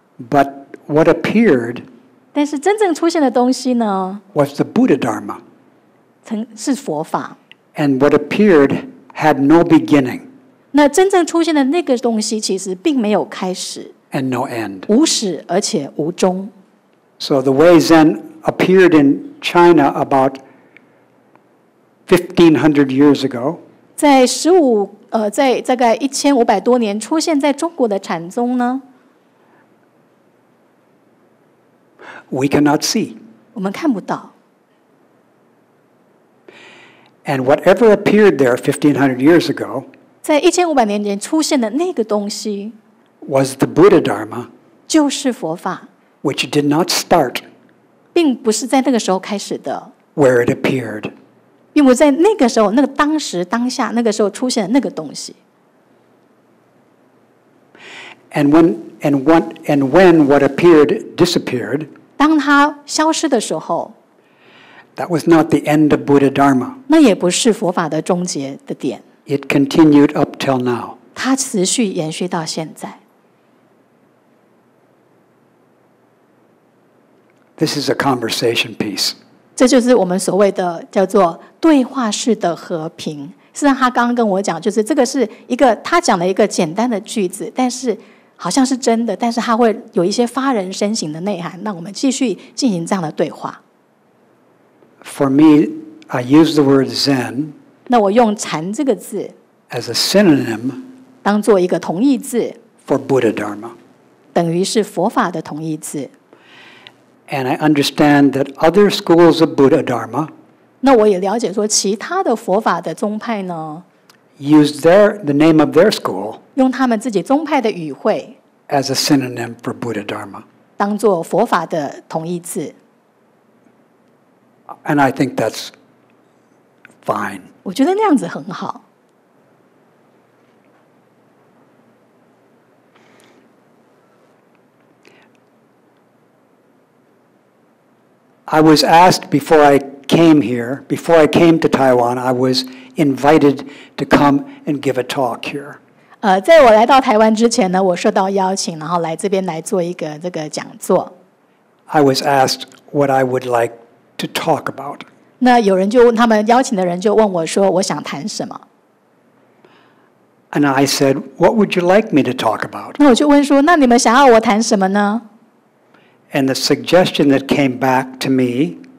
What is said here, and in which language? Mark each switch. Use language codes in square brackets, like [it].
[en] But what appeared? [zh] 但是真正出现的东西呢 [en] ？Was the Buddha Dharma? [zh] 是佛法。 [en] And what appeared had no beginning. [zh] 那真正出现的那个东西其实并没有开始。 [en] And no end. [zh] 无始而且无终。 [en] So the way Zen appeared in China about 1500 years ago. [zh] 在十五。在大概1500多年出现在中国的禅宗呢 [en] ？We cannot see. [zh] 我们看不到。 [en] And whatever appeared there 1500 years ago， [zh] 在1500年前出现的那个东西 [en] ，was the Buddha Dharma， [zh] 就是佛法 [en] ，which did not start， [zh] 并不是在那个时候开始的 [en] ，where it appeared。 [zh] 并不在那个时候，那个当时当下，那个时候出现那个东西。 [en] And when what appeared disappeared， [zh] 当它消失的时候 [en] ，That was not the end of Buddha Dharma。 [zh] 那也不是佛法的终结的点。 [en] It continued up till now。 [zh] 它持续延续到现在。 [en] This is a conversation piece。 [zh] 这就是我们所谓的叫做对话式的和平。事实上，他刚刚跟我讲，就是这个是一个他讲的一个简单的句子，但是好像是真的，但是他会有一些发人深省的内涵。那我们继续进行这样的对话。 [en] For me, I use the word Zen. [zh] 那我用禅这个字 [en] as a synonym [zh] 当做一个同义字 [en] for Buddha Dharma， [zh] 等于是佛法的同义字。 [en] And I understand that other schools of Buddha Dharma. [zh] 那我也了解说，其他的佛法的宗派呢 [en] ，use the name of their school. [zh] 用他们自己宗派的语汇 [en] as a synonym for Buddha Dharma. [zh] 当做佛法的同义字。 [en] And I think that's fine. [zh] 我觉得那样子很好。 [en] I was asked before I came here, before I came to Taiwan, I was invited to come and give a talk here. [zh] 在我来到台湾之前呢，我受到邀请，然后来这边来做一个这个讲座。 [en] I was asked what I would like to talk about. [zh] 那有人就问，他们邀请的人就问我说，我想谈什么？ [en] And I said, "What would you like me to talk about?" [zh] 那我就问说，那你们想要我谈什么呢？ [en] And the suggestion that came back to me,